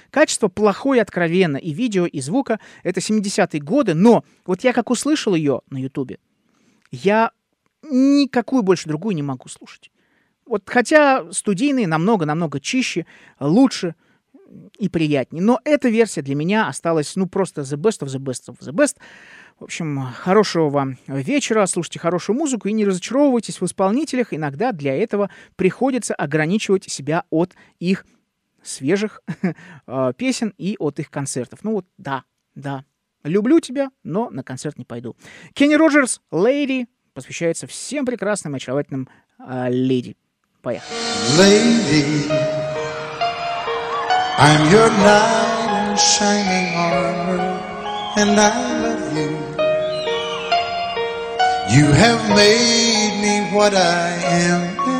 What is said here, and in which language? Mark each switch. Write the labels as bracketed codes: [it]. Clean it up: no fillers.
[ru] Качество плохое откровенно, и видео, и звука. Это 70-е годы, но вот я как услышал ее на Ютубе, я никакую больше другую не могу слушать. Вот хотя студийные намного-намного чище, лучше и приятнее. Но эта версия для меня осталась просто [en] the best of the best of the best. [ru] В общем, хорошего вам вечера, слушайте хорошую музыку и не разочаровывайтесь в исполнителях. Иногда для этого приходится ограничивать себя от их свежих песен и от их концертов. Ну вот, да, Да. Люблю тебя, но на концерт не пойду. Кенни Роджерс, Lady, посвящается всем прекрасным и очаровательным леди. Поехали. [en] Lady, I'm your knight in shining armor, and I love you. You have made me what I am.